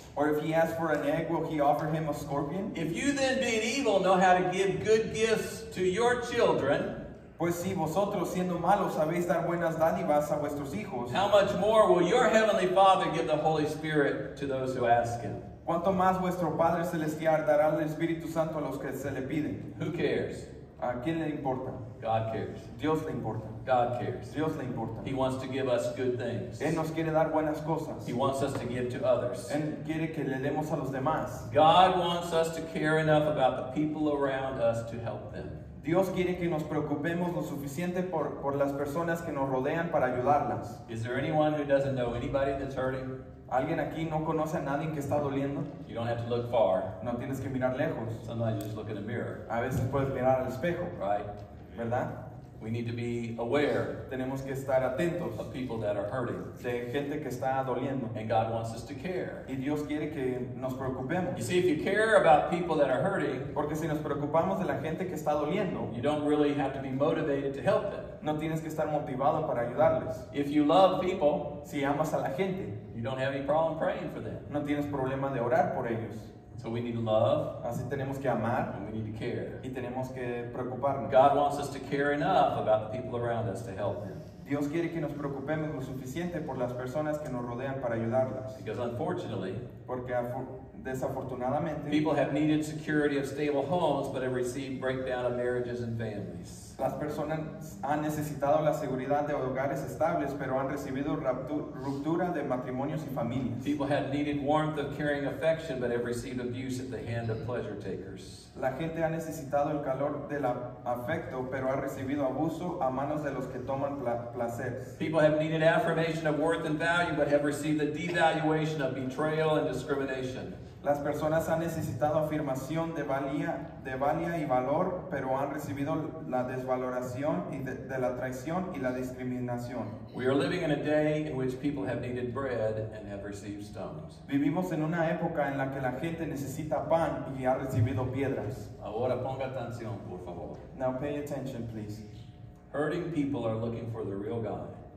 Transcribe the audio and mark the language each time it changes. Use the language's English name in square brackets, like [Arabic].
[English] Or if he asks for an egg, will he offer him a scorpion? If you then, being evil, know how to give good gifts to your children, [Spanish] pues si vosotros, siendo malos, sabéis dar buenas dádivas a vuestros hijos, [English] how much more will your heavenly Father give the Holy Spirit to those who ask him? [Spanish] ¿Cuánto más vuestro Padre Celestial dará el Espíritu Santo a los que se le piden? [English] Who cares? [Spanish] ¿A quién le importa? [English] God cares. [Spanish] Dios le importa. [English] God cares. [Spanish] Dios le importa. [English] He wants to give us good things. [Spanish] Él nos quiere dar buenas cosas. [English] He wants us to give to others. [Spanish] Él quiere que le demos a los demás. [English] God wants us to care enough about the people around us to help them. [Spanish] Dios quiere que nos preocupemos lo suficiente por las personas que nos rodean para ayudarlas. [English] Is there anyone who doesn't know anybody that's hurting? [Spanish] ¿Alguien aquí no conoce a nadie que está doliendo? [English] You don't have to look far. [Spanish] No tienes que mirar lejos. [English] Sometimes you just look in the mirror. [Spanish] A veces puedes mirar al espejo. [English] Right. [Spanish] ¿Verdad? [English] We need to be aware. [Spanish] Tenemos que estar atentos. [English] Of people that are hurting. [Spanish] De gente que está doliendo. [English] And God wants us to care. [Spanish] Y Dios quiere que nos preocupemos. [English] You see, if you care about people that are hurting, [Spanish] porque si nos preocupamos de la gente que está doliendo, [English] you don't really have to be motivated to help them. [Spanish] No tienes que estar motivado para ayudarles. [English] If you love people, [Spanish] si amas a la gente, [English] you don't have any problem praying for them. [Spanish] No tienes problema de orar por ellos. [English] So we need to love. [Spanish] Así tenemos que amar. [English] And we need to care. [Spanish] Y tenemos que preocuparnos. [English] God wants us to care enough about the people around us to help them. [Spanish] Dios quiere que nos preocupemos lo suficiente por las personas que nos rodean para ayudarlas. [English] Because unfortunately, [Spanish] porque desafortunadamente, [English] people have needed security of stable homes, but have received breakdown of marriages and families. [Spanish] Las personas han necesitado la seguridad de hogares estables, pero han recibido ruptura de matrimonios y familias. [English] People have needed warmth of caring affection, but have received abuse at the hand of pleasure takers. [Spanish] La gente ha necesitado el calor del afecto, pero ha recibido abuso a manos de los que toman placeres. [English] People have needed affirmation of worth and value, but have received the devaluation of betrayal and discrimination. [Spanish] Las personas han necesitado afirmación de valía, y valor, pero han recibido la desvaloración y de la traición y la discriminación. [English] We are living in a day in which people have needed bread and have received stones. [Spanish] Vivimos en una época en la que la gente necesita pan y ha recibido piedras. Ahora ponga atención, por favor. [English] Now pay attention, please. Hurting people are looking for the real God.